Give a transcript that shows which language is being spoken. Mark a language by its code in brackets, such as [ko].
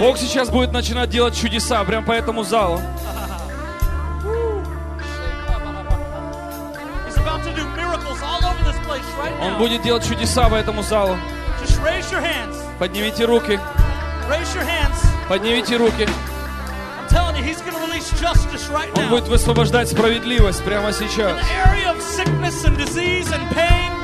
[ru] Бог сейчас будет начинать делать чудеса прямо по этому залу. [en] He's about to do miracles all over this place right now. [ru] Он будет делать чудеса в этом зале. [en] Just raise your hands. [ru] Поднимите руки. [en] Raise your hands. [ru] Поднимите руки. [en] I'm telling you, he's going to release justice right now. [ru] Он будет высвобождать справедливость прямо сейчас. [en] In the area of sickness and disease and pain.